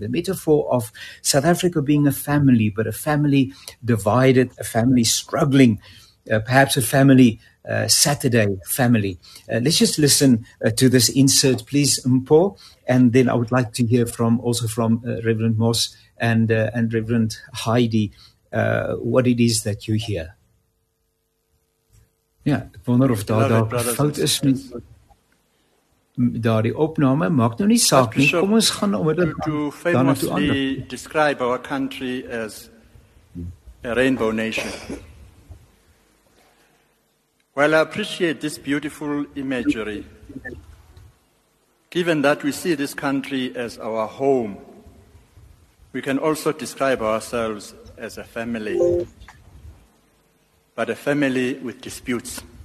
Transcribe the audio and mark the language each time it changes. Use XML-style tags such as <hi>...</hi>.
<en>The metaphor of South Africa being a family, but a family divided, a family struggling, perhaps a family Saturday family. Let's just listen to this insert, please, Mpo, and then I would like to hear from also from Reverend Moss and Reverend Heidi what it is that you hear.</en> <af>Ja, ek wonder of daar fout is met daardie opname. Maak nou nie saak nie. Kom ons gaan om dit</af> <en>to famously describe our country as a rainbow nation. Well, I appreciate this beautiful imagery. Given that we see this country as our home, we can also describe ourselves as a family, but a family with disputes.</en>